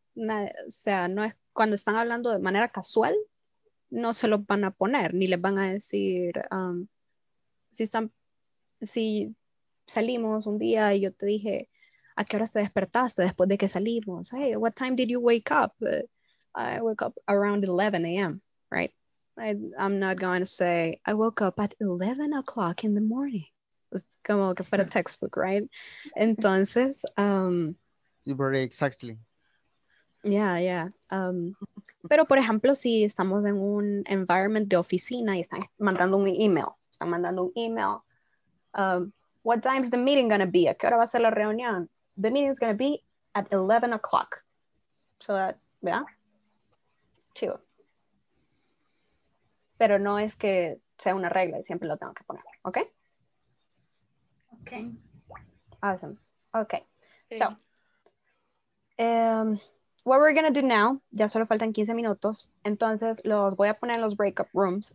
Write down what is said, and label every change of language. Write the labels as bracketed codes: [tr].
[es] O sea, no es cuando están hablando de manera casual, no se lo van a poner, ni les van a decir, si salimos un día y yo te dije, ¿a qué hora te despertaste después de que salimos? [en] Hey, what time did you wake up? I woke up around 11 a.m., right? I'm not going to say, I woke up at 11 o'clock in the morning. [es] It's como que fuera textbook, [en] right? [es] Entonces, [en] very exactly. Yeah. [es] Pero, por ejemplo, si estamos en un environment de oficina y están mandando un email, [en] what time is the meeting going to be? [es] ¿A qué hora va a ser la reunión? [en] The meeting is going to be at 11 o'clock. So that, yeah. Chivo. [es] Pero no es que sea una regla y siempre lo tengo que poner, ¿ok? [en] Ok. Awesome. Ok. [es] Sí. [en] So, what we're going to do now, [es] ya solo faltan 15 minutos, entonces los voy a poner en los breakup rooms.